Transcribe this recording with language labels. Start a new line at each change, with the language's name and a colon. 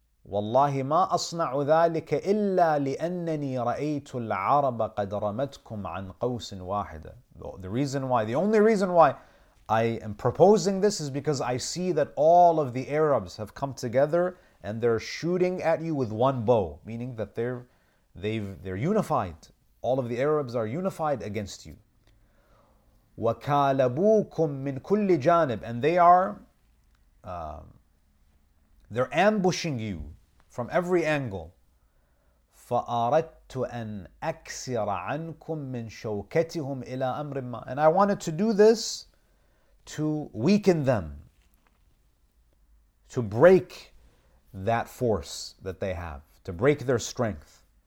Arabic: وَاللَّهِ مَا أَصْنَعُ ذَٰلِكَ إِلَّا لِأَنَّنِي رَأَيْتُ الْعَرَبَ قَدْ رَمَتْكُمْ عَنْ قَوْسٍ وَاحِدًا
English: The only reason why I am proposing this is because I see that all of the Arabs have come together and they're shooting at you with one bow, meaning that they're unified. All of the Arabs are unified against you.
Arabic: وَكَالَبُوكُمْ مِنْ كُلِّ جَانِبٍ
English: And they are... They're ambushing you from every angle.
Arabic: فَأَرَدْتُ أَنْ أَكْسِرَ عَنْكُمْ مِنْ شَوْكَتِهُمْ إِلَىٰ أَمْرٍ مَّا
English: And I wanted to do this to weaken them, to break that force that they have, to break their strength.